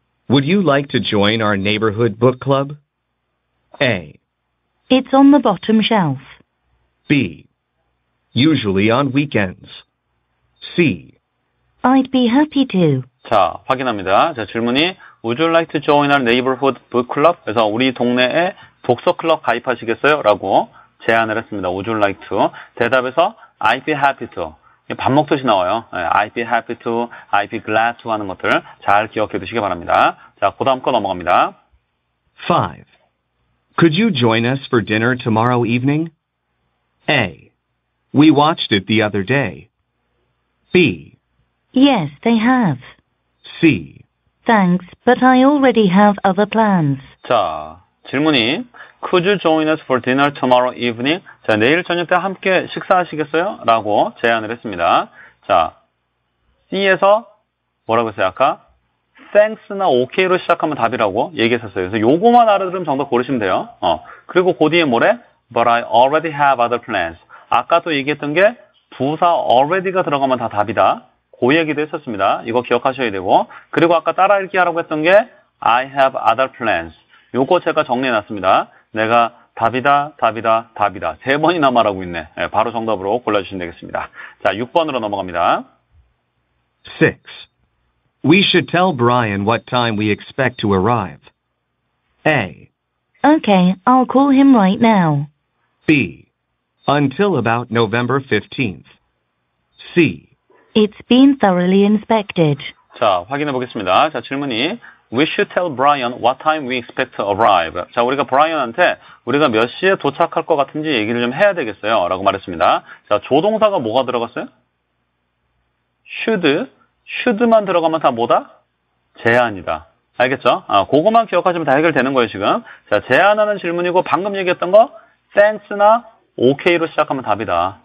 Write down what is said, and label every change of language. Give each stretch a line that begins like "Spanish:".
English: Would you like to join our neighborhood book club? A. It's on the bottom shelf. B. Usually on weekends. C. I'd be happy to.
Korean: 자, 확인합니다. 자, 질문이
English: Would you like to join our neighborhood book club?
Korean: 그래서 우리 동네에 독서 클럽 가입하시겠어요? 라고 제안을 했습니다.
English: Would you like to?
Korean: 대답에서
English: I'd be happy to.
Korean: 밥 먹듯이 나와요.
English: I'd be happy to, I'd be glad to
Korean: 하는 것들 잘 기억해 두시기 바랍니다. 자, 그 다음 거 넘어갑니다.
English: 5. Could you join us for dinner tomorrow evening? A. We watched it the other day. B. Yes, they have. C. Thanks, but I already have other plans.
Korean: 자, 질문이
English: Could you join us for dinner tomorrow evening?
Korean: 자, 내일 저녁 때 함께 식사하시겠어요? 라고 제안을 했습니다. 자, C에서 뭐라고 했어요, 아까? Thanks나 OK로 시작하면 답이라고 얘기했었어요. 그래서 요거만 알아들으면 정답 고르시면 돼요. 그리고 그 뒤에 뭐래?
English: But I already have other plans.
Korean: 아까도 얘기했던 게 부사 already가 들어가면 다 답이다. 그 얘기도 했었습니다. 이거 기억하셔야 되고. 그리고 아까 따라 읽기 하라고 했던 게
English: I have other plans.
Korean: 요거 제가 정리해놨습니다. 내가 답이다, 답이다, 답이다. 세 번이나 말하고 있네. 네, 바로 정답으로 골라주시면 되겠습니다. 자, 6번으로 넘어갑니다.
English: 6. We should tell Brian what time we expect to arrive. A. Okay, I'll call him right now. B. Until about November 15th. C. It's been thoroughly inspected.
Korean: 자, 확인해 보겠습니다. 자, 질문이
English: We should tell Brian what time we expect to arrive.
Korean: 자, 우리가 브라이언한테 우리가 몇 시에 도착할 것 같은지 얘기를 좀 해야 되겠어요. 라고 말했습니다. 자, 조동사가 뭐가 들어갔어요? Should. Should만 들어가면 다 뭐다? 제안이다. 알겠죠? 아, 그것만 기억하시면 다 해결되는 거예요, 지금. 자, 제안하는 질문이고 방금 얘기했던 거 thanks나 OK로 시작하면 답이다.